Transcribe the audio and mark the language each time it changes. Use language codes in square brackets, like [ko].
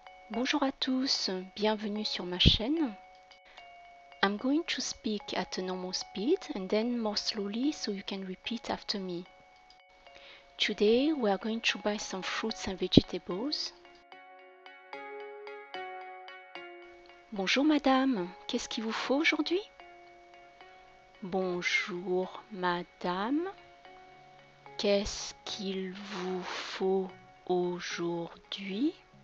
[fr] Bonjour à tous, bienvenue sur ma chaîne. [en] I'm going to speak at a normal speed and then more slowly so you can repeat after me. Today we are going to buy some fruits and vegetables. [fr] Bonjour madame, qu'est-ce qu'il vous faut aujourd'hui? Bonjour madame, qu'est-ce qu'il vous faut aujourd'hui?